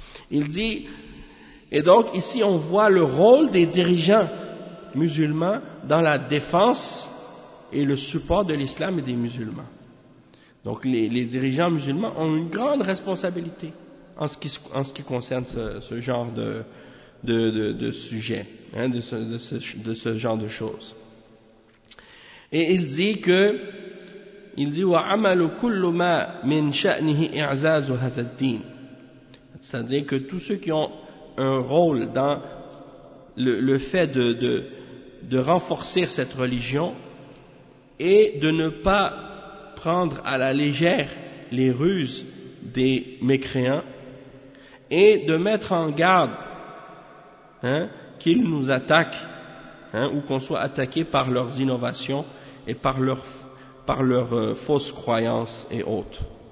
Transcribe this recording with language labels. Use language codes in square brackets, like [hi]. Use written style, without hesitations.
[fr] Il dit, et donc ici on voit le rôle des dirigeants musulmans dans la défense et le support de l'islam et des musulmans. Donc les dirigeants musulmans ont une grande responsabilité en ce qui concerne ce genre de sujet, hein, de ce genre de choses. Et il dit [ar] وَعَمَلُ كُلُّ مَا مِنْ شَأْنِهِ إِعْزَازُ هَذَا الدِّينِ. [fr] C'est-à-dire que tous ceux qui ont un rôle dans le fait de renforcer cette religion et de ne pas prendre à la légère les ruses des mécréants et de mettre en garde, hein, qu'ils nous attaquent, hein, ou qu'on soit attaqué par leurs innovations et par leurs fausses croyances et autres.